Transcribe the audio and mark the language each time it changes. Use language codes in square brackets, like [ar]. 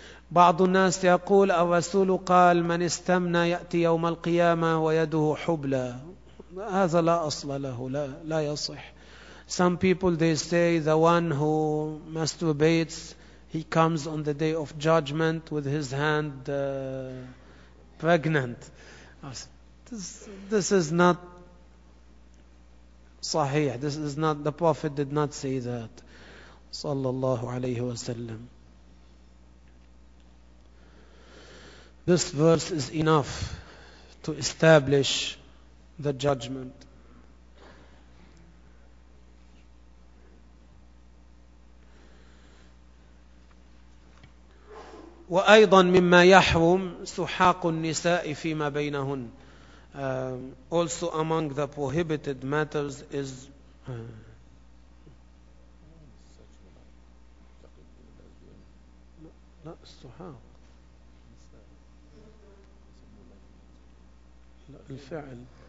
[ar] بعض الناس يقول الرسول قال من استمنى يأتي يوم القيامة ويده حبلى. هذا لا أصل له, لا يصح. [en] Some people they say the one who masturbates, he comes on the day of judgment with his hand pregnant. This is not sahih. This is not, the Prophet did not say that. Sallallahu alayhi wa sallam. This verse is enough to establish the judgment. [ar] وأيضا مما يحرم سحاق النساء فيما بينهن. [en] Also among the prohibited matters is [ar] السحاق الفعل.